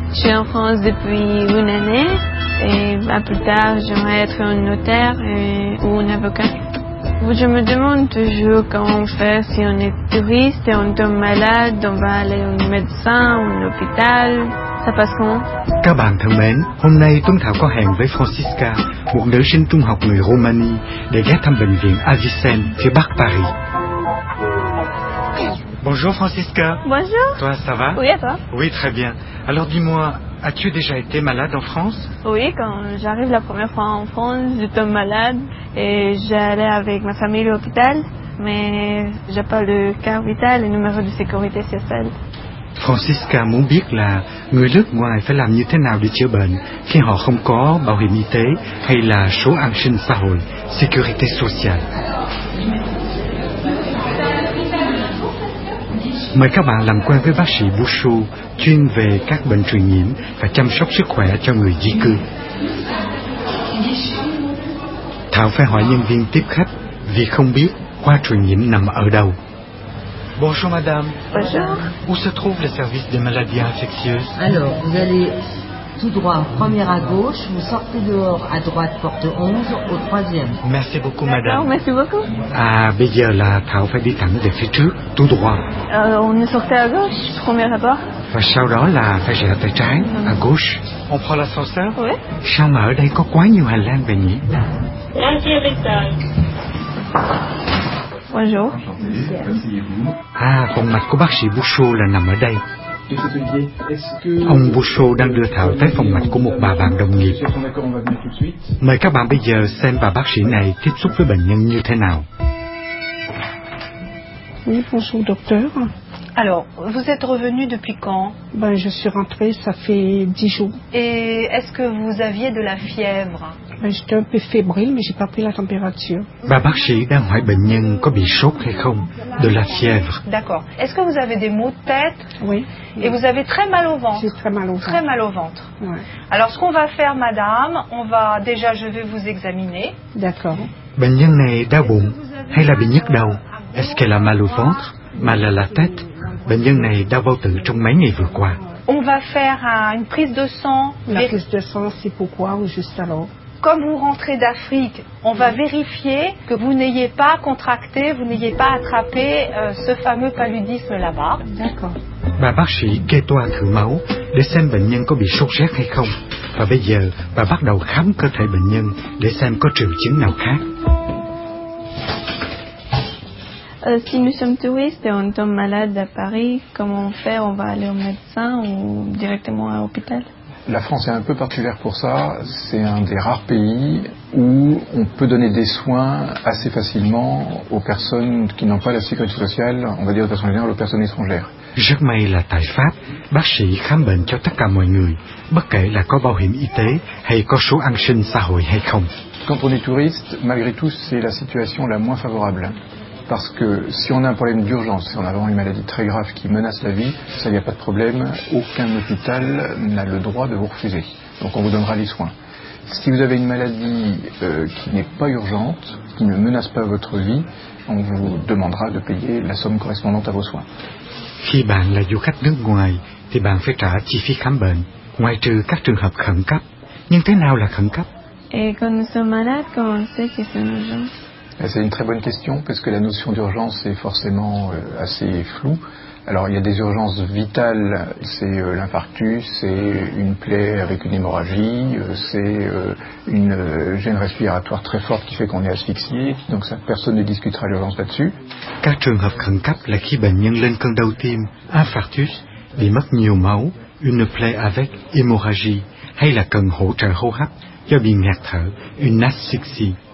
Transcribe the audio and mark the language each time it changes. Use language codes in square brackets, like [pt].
[fr] Je suis en France depuis une année et à plus tard, j'aimerais être un notaire ou un avocat. Je me demande toujours comment faire si on est touriste et on tombe malade, on va aller au médecin, au hôpital. Ça passe comment? [vi] Các bạn thân mến, hôm nay Tuấn Thảo có hẹn với Francisca, một nữ sinh trung học người Romania, để ghé thăm bệnh viện Avicenne phía Bắc Paris. [fr] Bonjour Francisca. Bonjour. Toi, ça va? Oui, et toi? Oui, très bien. Alors dis-moi, as-tu déjà été malade en France? Oui, quand j'arrive la première fois en France, je tombe malade et j'allais avec ma famille à l'hôpital, mais j'ai pas le carte vitale et le numéro de sécurité sociale. [vi] Francisca muốn biết là người nước ngoài phải làm như thế nào để chữa bệnh khi họ không có bảo hiểm y tế hay là số an sinh xã hội, [fr] Sécurité sociale. [vi] Mời các bạn làm quen với bác sĩ Bushu, chuyên về các bệnh truyền nhiễm và chăm sóc sức khỏe cho người di cư. Thảo phải hỏi nhân viên tiếp khách vì không biết khoa truyền nhiễm nằm ở đâu. [fr] Bonjour madame. Bonjour. Où se trouve le service des maladies infectieuses? Alors, vous allez tout droit, première à gauche, vous sortez dehors à droite, porte 11, au troisième. Merci beaucoup madame. Non, merci beaucoup. [vi] Ah, bây giờ là Thảo phải đi thẳng về phía trước, [fr] tout droit. On est sorti à gauche, première à droite. [vi] Và sau đó là phải rẽ tay trái, [fr] à gauche. On prend l'ascenseur? Oui. [vi] Sao mà ở đây có quá nhiều hành lang vậy nhỉ? [fr] Merci, docteur. [vi] À, phòng mạch của bác sĩ Bushu là nằm ở đây. Ông Bushu đang đưa Thảo tới phòng mạch của một bà bạn đồng nghiệp. Mời các bạn bây giờ xem bà bác sĩ này tiếp xúc với bệnh nhân như thế nào. [fr] Oui, bonjour docteur. Alors, vous êtes revenu depuis quand? Ben, je suis rentrée, ça fait 10 jours. Et est-ce que vous aviez de la fièvre? Ben, j'étais un peu fébrile, mais j'ai pas pris la température. [vi] Bà bác sĩ đang hỏi bệnh nhân có bị sốt hay không? [fr] De la fièvre. D'accord. Est-ce que vous avez des maux de tête? Oui. Et oui. Vous avez très mal au ventre? J'ai très mal au ventre. Très mal au ventre. Ouais. Alors, ce qu'on va faire, madame, on va... Déjà, je vais vous examiner. D'accord. [vi] Bệnh nhân này đau bụng hay là bị nhức đầu? [fr] Est-ce qu'elle a mal au ventre? Mal à la tête? [vi] Bệnh nhân này đau bao tử trong mấy ngày vừa qua. [fr] On va faire une prise de sang. La prise de sang, c'est pourquoi ou juste alors? Comme vous rentrez d'Afrique, on va vérifier que vous n'ayez pas contracté, vous n'ayez pas attrapé ce fameux paludisme là-bas. D'accord. [vi] Bà bác sĩ kê toa thử máu để xem bệnh nhân có bị sốt rét hay không. Và bây giờ, bà bắt đầu khám cơ thể bệnh nhân để xem có triệu chứng nào khác. [fr] Si nous sommes touristes et on tombe malade à Paris, comment on fait? On va aller au médecin ou directement à l'hôpital? La France est un peu particulière pour ça. C'est un des rares pays où on peut donner des soins assez facilement aux personnes qui n'ont pas la sécurité sociale, on va dire de façon générale, aux personnes étrangères. [vi] Rất may là tại Pháp, bác sĩ khám bệnh cho tất cả mọi người, bất kể là có bảo hiểm y tế hay có số an sinh xã hội hay không. [fr] Quand on est touriste, malgré tout, c'est la situation la moins favorable. Parce que si on a un problème d'urgence, si on a vraiment une maladie très grave qui menace la vie, ça n'y a pas de problème, aucun hôpital n'a le droit de vous refuser. Donc on vous donnera les soins. Si vous avez une maladie qui n'est pas urgente, qui ne menace pas votre vie, on vous demandera de payer la somme correspondante à vos soins. [vi] Khi bạn là du khách nước ngoài, thì bạn phải trả chi phí khám bệnh, ngoài trừ các trường hợp khẩn cấp. Nhưng thế nào là khẩn cấp? [fr] Et quand nous sommes malades, comment on sait que c'est urgent? C'est une très bonne question, parce que la notion d'urgence est forcément assez floue. Alors, il y a des urgences vitales, c'est l'infarctus, c'est une plaie avec une hémorragie, c'est une gêne respiratoire très forte qui fait qu'on est asphyxié, donc ça, personne ne discutera l'urgence là-dessus. [vi] Các trường hợp khẩn cấp là khi bệnh nhân lên cơn đau tim, infarctus, bị mất nhiều máu, [fr] une plaie avec hémorragie, [vi] hay là cần hỗ trợ hô hấp do bị ngạt thở, [fr] une asphyxie.